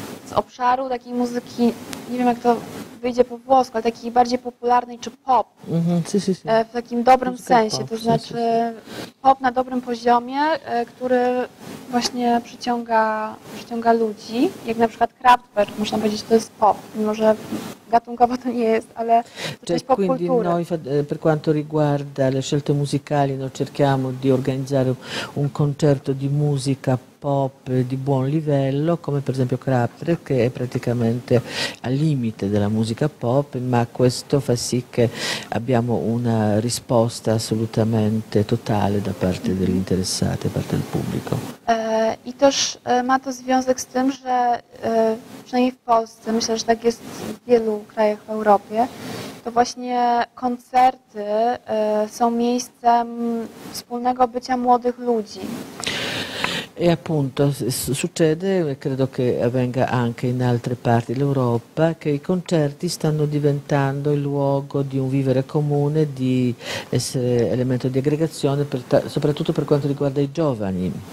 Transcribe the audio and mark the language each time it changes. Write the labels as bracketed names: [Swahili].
[Polish] z obszaru takiej muzyki, nie wiem jak to wyjdzie po włosku, ale takiej bardziej popularnej czy pop, w takim dobrym muzyka sensie, pop, to znaczy pop na dobrym poziomie, który właśnie przyciąga ludzi, jak na przykład Kraftwerk, można powiedzieć, to jest pop, mimo że gattungava [Italian] non è, ma è cioè, quindi noi per quanto riguarda le scelte musicali noi cerchiamo di organizzare un concerto di musica pop di buon livello come per esempio Kraftwerk che è praticamente al limite della musica pop, ma questo fa sì che abbiamo una risposta assolutamente totale da parte degli interessati, da parte del pubblico. [Polish] I też ma to związek z tym, że przynajmniej w Polsce, myślę, że tak jest w wielu krajach w Europie, to właśnie koncerty są miejscem wspólnego bycia młodych ludzi. [Italian] E appunto succede, credo che avvenga anche in altre parti dell'Europa, che i concerti stanno diventando il luogo di un vivere comune, di essere elemento di aggregazione, soprattutto per quanto riguarda i giovani.